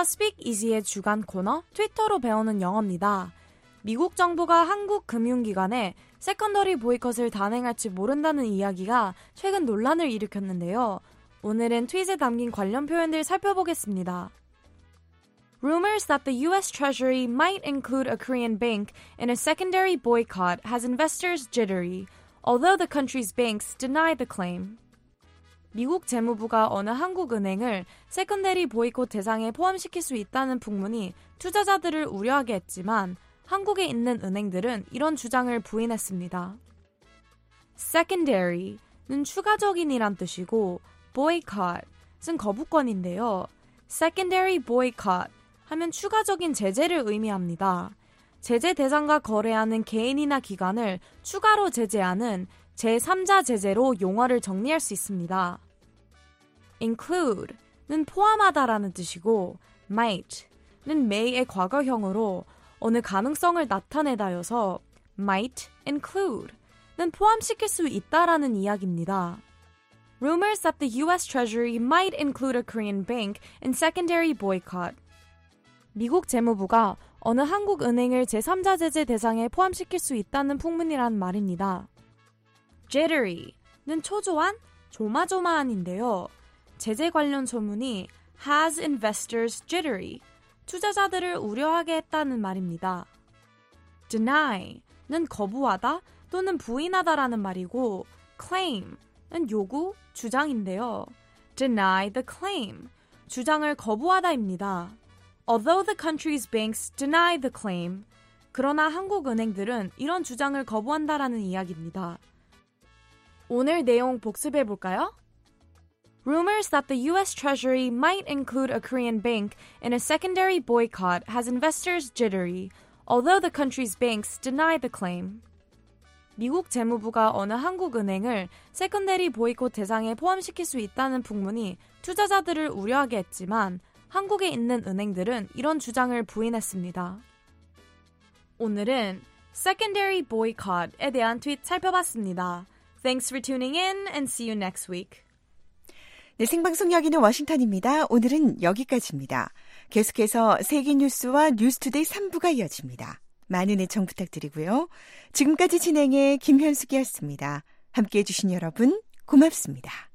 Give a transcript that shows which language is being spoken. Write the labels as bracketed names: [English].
[Korean] Speak Easy의 주간 코너 트위터로 배우는 영어입니다. 미국 정부가 한국 금융기관에 세컨더리 보이콧을 단행할지 모른다는 이야기가 최근 논란을 일으켰는데요. 오늘은 트윗에 담긴 관련 표현들 살펴보겠습니다. [English] Rumors that the U.S. Treasury might include a Korean bank in a secondary boycott has investors jittery, although the country's banks deny the claim. [Korean] 미국 재무부가 어느 한국은행을 세컨더리 보이콧 대상에 포함시킬 수 있다는 풍문이 투자자들을 우려하게 했지만 한국에 있는 은행들은 이런 주장을 부인했습니다. Secondary는 추가적인이란 뜻이고 boycott은 거부권인데요. Secondary boycott 하면 추가적인 제재를 의미합니다. 제재 대상과 거래하는 개인이나 기관을 추가로 제재하는 제3자 제재로 용어를 정리할 수 있습니다. include는 포함하다라는 뜻이고 might는 may의 과거형으로 어느 가능성을 나타내다여서 might include는 포함시킬 수 있다라는 이야기입니다. [English] Rumors that the U.S. Treasury might include a Korean bank in secondary boycott. [Korean] 미국 재무부가 어느 한국은행을 제3자 제재 대상에 포함시킬 수 있다는 풍문이란 말입니다. Jittery는 초조한, 조마조마한인데요. 제재 관련 소문이 [English] has investors jittery, [Korean] 투자자들을 우려하게 했다는 말입니다. deny는 거부하다 또는 부인하다라는 말이고 claim은 요구, 주장인데요. [English] deny the claim, [Korean] 주장을 거부하다입니다. [English] although the country's banks deny the claim, [Korean] 그러나 한국은행들은 이런 주장을 거부한다라는 이야기입니다. 오늘 내용 복습해 볼까요? [English] Rumors that the U.S. Treasury might include a Korean bank in a secondary boycott has investors jittery, although the country's banks deny the claim. [Korean] 미국 재무부가 어느 한국은행을 세컨더리 보이콧 대상에 포함시킬 수 있다는 풍문이 투자자들을 우려하게 했지만 한국에 있는 은행들은 이런 주장을 부인했습니다. 오늘은 secondary boycott에 대한 트윗 살펴봤습니다. [English] Thanks for tuning in and see you next week. [Korean] 네, 생방송 여기는 워싱턴입니다. 오늘은 여기까지입니다. 계속해서 세계 뉴스와 뉴스 투데이 3부가 이어집니다. 많은 애청 부탁드리고요. 지금까지 진행해 김현숙이었습니다. 함께해 주신 여러분 고맙습니다.